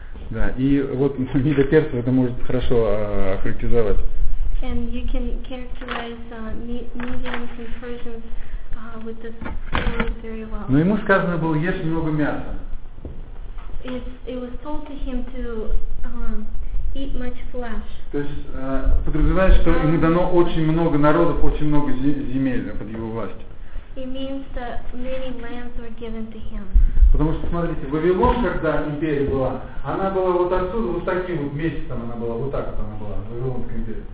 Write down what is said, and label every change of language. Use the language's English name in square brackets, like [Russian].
[Russian] Да, и вот Медоперс это может хорошо охарактеризовать. [English] And you can characterize Medians and Persians with this very well. [Russian] Но ему сказано было ешь много мяса. [English] It was told to him to eat much flesh. [Russian] То есть подразумевает, что ему дано очень много народов, очень много земель под его властью. [English] It means that many lands were given to him. [Russian] Потому что, смотрите, Вавилон, когда империя была, она была вот отсюда, вот таким вот месяцем она была, вот так вот она была, Вавилонская империя.